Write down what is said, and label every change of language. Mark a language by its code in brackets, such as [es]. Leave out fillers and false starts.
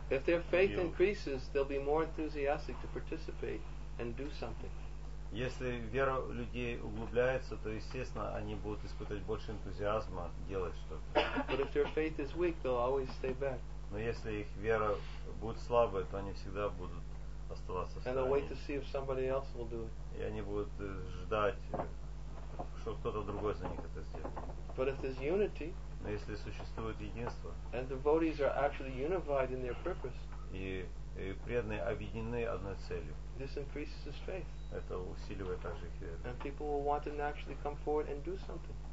[en] If their faith increases, they'll be more enthusiastic to participate and do something. [ru] Если вера людей углубляется, то естественно они будут испытывать больше энтузиазма делать что-то. [en] But if their faith is weak, they'll always stay back. [ru] Но если их вера будет слабой, то они всегда будут оставаться в стороне. [en] And they'll wait to see if somebody else will do it. [ru] И они будут ждать, что кто-то другой за них это сделает. [en] But if there's unity, [ru] но если существует единство, [en] and devotees are actually unified in their purpose, [ru] и преданные объединены одной целью, [en] this increases his faith. [ru] Это усиливает также их веру. [en] And people will want to naturally come forward and do something.